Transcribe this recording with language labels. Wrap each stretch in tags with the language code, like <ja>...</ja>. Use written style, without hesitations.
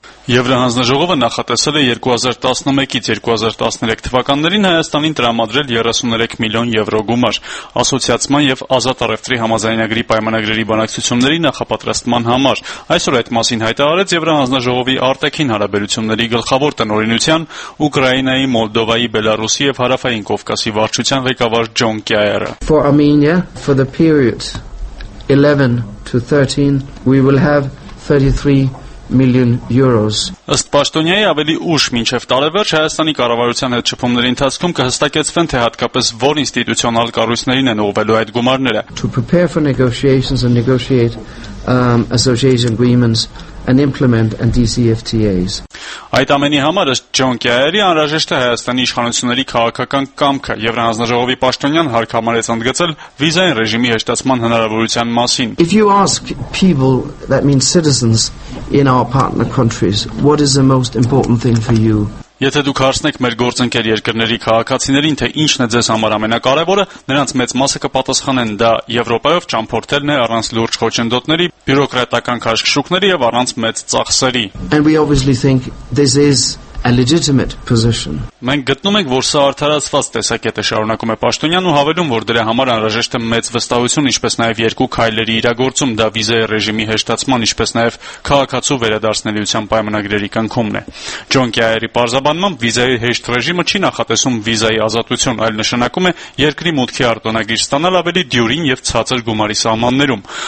<hy>Եվրահանձնաժողովը նախատեսել է 2011-ից 2013 թվականներին Հայաստանին տրամադրել 33 միլիոն եվրո գումար ասոցիացիան և ազատ առևտրի համաձայնագրի պայմանագրերի բանակցությունների նախապատրաստման համար։ Այսօր այդ մասին հայտարարեց Եվրահանձնաժողովի արտաքին հարաբերությունների գլխավոր տնօրինության Ուկրաինայի, Մոլդովայի, Բելարուսի և Հարավային Կովկասի վարչության ղեկավար Ջոն Կյայերը։</hy> <en>For Armenia, for the period 11-13, we will have 33 million euros.</en> <hy>Ըստ պաշտոնյայի ավելի ուշ մինչև տարեվերջ Հայաստանի կառավարության հետ շփումների ընթացքում կհստակեցվեն, թե հատկապես որ ինստիտուցիոնալ կառույցներին են ուղղվելու այդ գումարները.</hy> <en>To prepare for negotiations and negotiate association agreements and implement and DCFTAs.</en> <hy>Այդ ամենի համար ըստ Ջոն Կյայերի անհրաժեշտ է Հայաստանի իշխանությունների քաղաքական կամքը։ Եվրահանձնաժողովի պաշտոնյան հարկամարեց ընդգծել վիզային ռեժիմի հեշտացման հնարավորության մասին։</hy> <en>If you ask people, that means citizens in our partner countries, what is the most important thing for you?</en> <hy>Եթե դուք հարցնեք մեր գործընկեր երկրների քաղաքացիներին, թե ինչն է ձեզ համար ամենակարևորը, նրանց մեծ մասը կպատասխանեն՝ դա Եվրոպայով ճամփորդելն է առանց լուրջ խոչընդոտների, բյուրոկրատական քաշքշուկների եւ առանց մեծ ծախսերի։</hy> <en>And we obviously think this is a legitimate position.</en> <hy>Մենք գտնում ենք, որ սա արդարացված տեսակետ է, շարունակում է Պաշտոնյան ու հավելում, որ դրա համար անհրաժեշտ է մեծ վստահություն, ինչպես նաև երկու քայլերի իրագործում, դա վիզայի ռեժիմի հեշտացման, ինչպես նաև քաղաքացու վերադարձնելիության պայմանագրերի կնքումն է։ Ջոն Կյայերի պարզաբանմամբ վիզայի հեշտ ռեժիմը չի նախատեսում վիզայի ազատություն, այլ նշանակում է երկրի մուտքի արտոնագիր ստանալ ավելի դյուրին և ցածր գումարի սահմաններում։</hy>